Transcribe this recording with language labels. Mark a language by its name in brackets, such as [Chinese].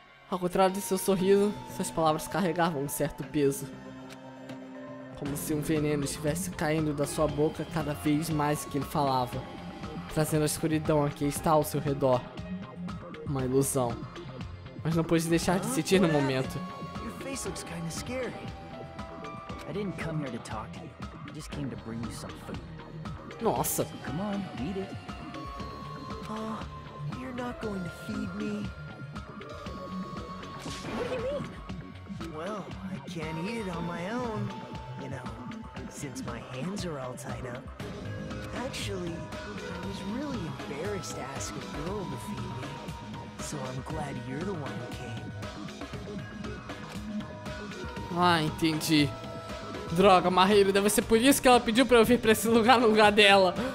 [Portuguese] Ao contrário de seu sorriso, suas palavras carregavam um certo peso. Como se um veneno estivesse caindo da sua boca cada vez mais que ele falava, trazendo a escuridão a quem está ao seu redor. Uma ilusão. Mas não pude deixar de sentir no momento. Seu rosto parece meio assustador. [English] I didn't come here to talk to you. I just came to bring you some food. [Portuguese] Nossa. [English] So come on, eat it. Oh, you're not going to feed me. What do you mean? Well, I can't eat it on my own. You know, since my hands are all tied up. Actually, I was really embarrassed to ask a girl to feed me. So I'm glad you're the one who came. [Portuguese] Ah, entendi. Droga, Mahiro, deve ser por isso que ela pediu pra eu vir pra esse lugar no lugar dela.